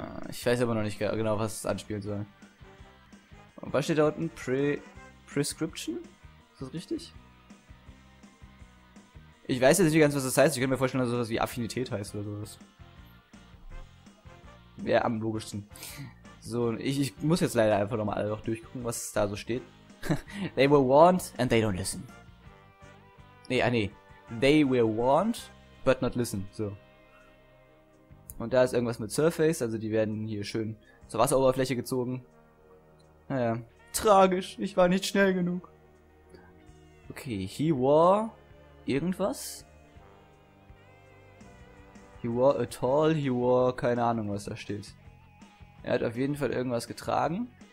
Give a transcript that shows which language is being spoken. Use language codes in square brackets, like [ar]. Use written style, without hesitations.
[de] Ich weiß aber noch nicht genau, was es anspielen soll. Und was steht da unten? Prescription? Ist das richtig? Ich weiß jetzt nicht ganz, was das heißt. Ich könnte mir vorstellen, dass sowas wie Affinität heißt oder sowas. Wäre am logischsten. So, ich muss jetzt leider einfach nochmal alle noch durchgucken, was da so steht. [en] They were warned and they don't listen. [de] Nee, ah nee. [en] They were warned, but not listen. So. [de] Und da ist irgendwas mit Surface, also die werden hier schön zur Wasseroberfläche gezogen. Naja. Tragisch, ich war nicht schnell genug. Okay, [en] he wore [de] irgendwas? [en] He wore a tall, he wore, [de] keine Ahnung, was da steht. Er hat auf jeden Fall irgendwas getragen.